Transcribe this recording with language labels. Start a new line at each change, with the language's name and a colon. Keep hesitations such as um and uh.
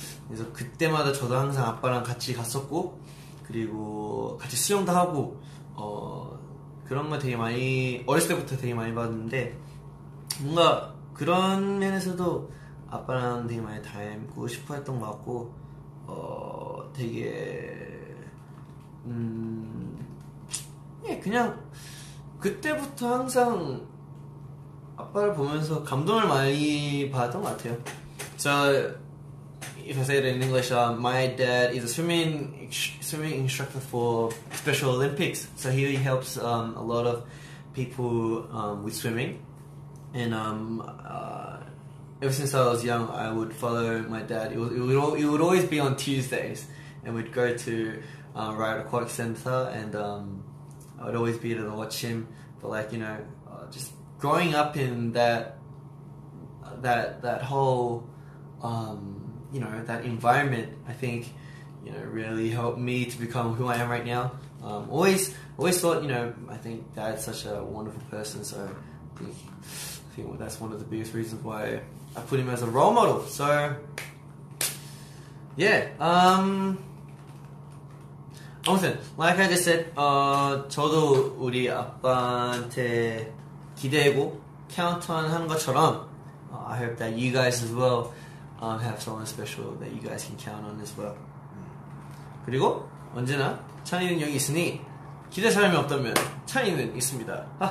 Korean: 그래서 그때마다 저도 항상 아빠랑 같이 갔었고, 그리고 같이 수영도 하고, 어, 그런 거 되게 많이, 어렸을 때부터 되게 많이 봤는데, 뭔가 그런 면에서도 아빠랑 되게 많이 닮고 싶어 했던 것 같고, 어, 되게, 음, 예, 그냥, 그때부터 항상 아빠를 보면서 감동을 많이 받았던 것 같아요.
English: So, if I say it in English, uh, my dad is a swimming swimming instructor for Special Olympics. So he helps um, a lot of people um, with swimming, and um, uh, ever since I was young, I would follow my dad. It, was, it, would, al- it would always be on Tuesdays, and we'd go to uh, Riot Aquatic Centre, and um, I would always be there to watch him. But like you know, uh, just growing up in that that that whole um, you know that environment I think you know really helped me to become who I am right now. Um, always always thought you know I think dad's such a wonderful person so I think, I think that's one of the biggest reasons why I put him as a role model. So yeah.
Korean: Um, 아무튼
English: like I just said
Korean: 어, 저도 우리 아빠한테 기대고 카운턴 한 것처럼 어,
English: I hope that you guys as well
Korean: um, have someone special that you guys can count on as well 그리고 언제나 찬이는 여기 있으니 기대 사람이 없다면 찬이는 있습니다